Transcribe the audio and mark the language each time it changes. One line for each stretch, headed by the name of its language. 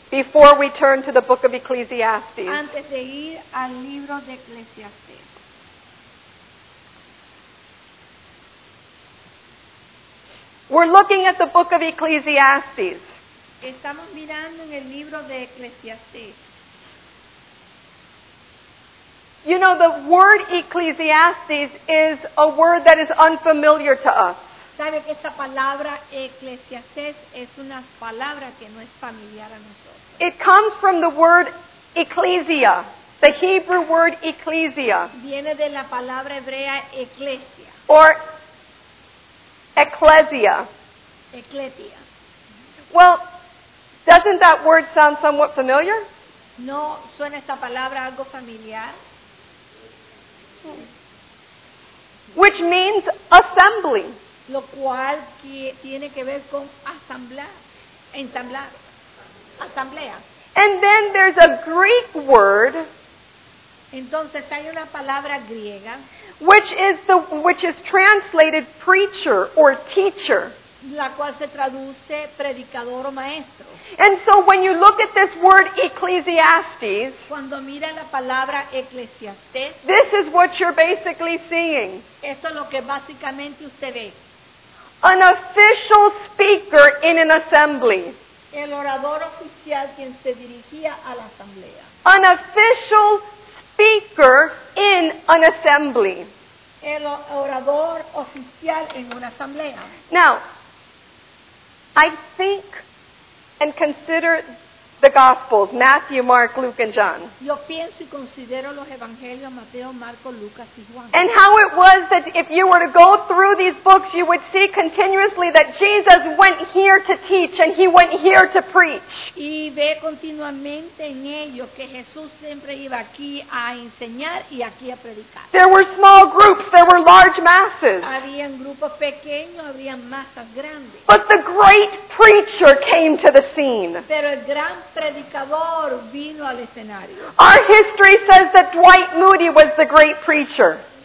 English: Before we turn to the book of Ecclesiastes.
Spanish: Antes de ir al libro de Ecclesiastes.
English: We're looking at the book of Ecclesiastes.
Spanish: Estamos mirando en el libro de Ecclesiastes.
English: You know, the word Ecclesiastes is a word that is unfamiliar to us.
Spanish: ¿Sabe que esta palabra Ecclesiastes es una palabra que no es familiar a nosotros?
English: It comes from the word ecclesia, the Hebrew word ecclesia.
Spanish: Viene de la palabra hebrea eclesia.
English: Or ecclesia.
Spanish: Ecclesia.
English: Well, doesn't that word sound somewhat familiar?
Spanish: ¿No suena esta palabra algo familiar?
English: Which means assembly.
Spanish: Lo cual tiene que ver con asamblar, ensamblar, asamblea.
English: And then there's a Greek word.
Spanish: Entonces hay una palabra griega.
English: Which is translated preacher or teacher.
Spanish: La cual se traduce predicador o maestro.
English: And so when you look at this word Ecclesiastes,
Spanish: cuando mira la palabra Ecclesiastes,
English: this is what you're basically seeing.
Spanish: Esto es lo que básicamente usted ve.
English: An official speaker in an assembly.
Spanish: El orador oficial quien se dirigía a la asamblea.
English: An official speaker in an assembly.
Spanish: El orador oficial en una asamblea.
English: Now, I think and consider the Gospels, Matthew, Mark, Luke, and John.
Spanish: Yo pienso y considero los evangelios Mateo, Marco, Lucas y Juan.
English: And how it was that if you were to go through these books, you would see continuously that Jesus went here to teach and he went here to preach.
Spanish: Y ve continuamente en ellos que Jesús siempre iba aquí a enseñar y aquí a predicar.
English: There were small groups, there were large masses.
Spanish: Habían grupos pequeños, habían masas grandes.
English: But the great preacher came to the scene.
Spanish: Pero el gran predicador vino al escenario.
English: Our history says that Dwight Moody was the great preacher.